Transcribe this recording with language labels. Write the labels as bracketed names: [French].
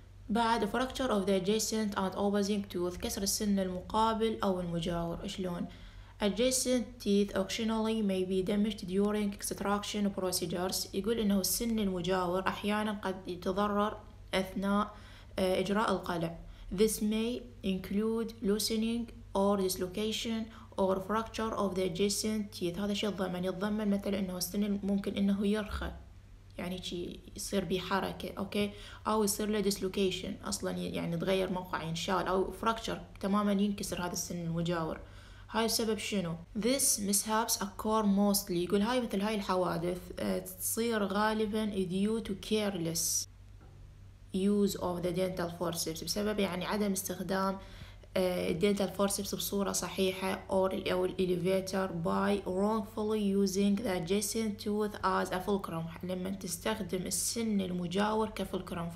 [English] بعد fracture of the adjacent and opposing tooth، [Arabic] كسر السن المقابل أو المجاور. إشلون؟ [English] adjacent teeth occasionally may be damaged during extraction procedures. [Arabic] يقول إنه السن المجاور أحيانا قد يتضرر أثناء إجراء القلع. [English] This may include loosening or dislocation or fracture of the adjacent teeth. [Arabic] هذا شيء يتضمن، يتضمن مثلا انه السن ممكن انه يرخى يعني شيء يصير بحركة، اوكي او يصير له dislocation اصلا يعني تغير موقع ينشال، او fracture تماما ينكسر هذا السن المجاور. هاي السبب شنو؟ [English] This mishaps occur mostly، [Arabic] يقول هاي مثل هاي الحوادث تصير غالبا [English] due to careless use of the dental forceps، [Arabic] بسبب يعني عدم استخدام dental forceps بصورة صحيحة [English] or elevator by wrongfully using the adjacent tooth as a fulcrum، [Arabic] لما تستخدم السن المجاور كفلكرم.